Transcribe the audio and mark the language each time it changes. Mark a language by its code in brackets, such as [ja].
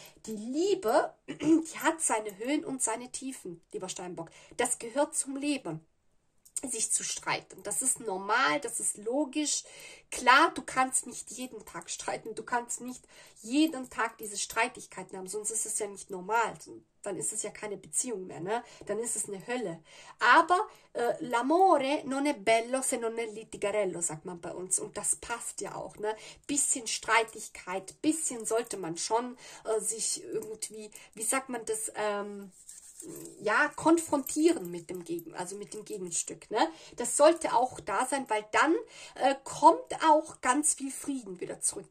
[de] Die Liebe, die hat seine Höhen und seine Tiefen, lieber Steinbock. Das gehört zum Leben, sich zu streiten. Das ist normal, das ist logisch. Klar, du kannst nicht jeden Tag streiten, du kannst nicht jeden Tag diese Streitigkeiten haben, sonst ist es ja nicht normal. Dann ist es ja keine Beziehung mehr, ne? Dann ist es eine Hölle. Aber [it] l'amore non è bello se non è litigarello, [de] sagt man bei uns. Und das passt ja auch, ne? Bisschen Streitigkeit, bisschen sollte man schon sich irgendwie, wie sagt man das, ja, konfrontieren mit dem Gegen, also mit dem Gegenstück, ne? Das sollte auch da sein, weil dann kommt auch ganz viel Frieden wieder zurück.